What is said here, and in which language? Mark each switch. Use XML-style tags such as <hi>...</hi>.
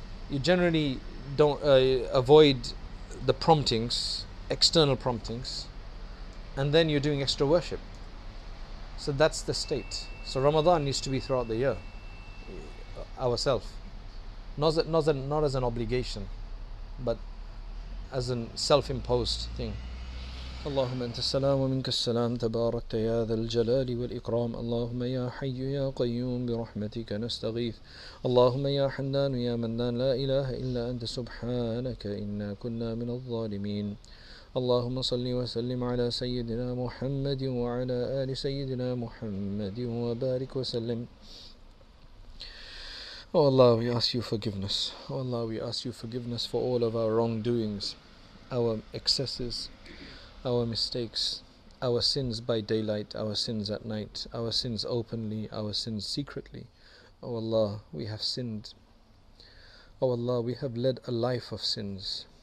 <en>You generally don't avoid the promptings, external promptings, and then you're doing extra worship. So that's the state. So Ramadan needs to be throughout the year. Ourselves, not as an obligation, but as a self-imposed thing.</en> <ar>اللهم أنت السلام ومنك السلام تباركت يا ذا الجلال والإكرام اللهم يا حي يا قيوم برحمتك نستغيث اللهم يا حنان يا منان لا إله إلا أنت سبحانك إنا كنا من الظالمين اللهم صل وسلم على سيدنا محمد وعلى آل سيدنا محمد وبارك وسلم.</ar> <en>Oh Allah, we ask you forgiveness. Oh Allah, we ask you forgiveness for all of our wrongdoings, our excesses, our mistakes, our sins by daylight, our sins at night, our sins openly, our sins secretly. Oh Allah, we have sinned. Oh Allah, we have led a life of sins.</en>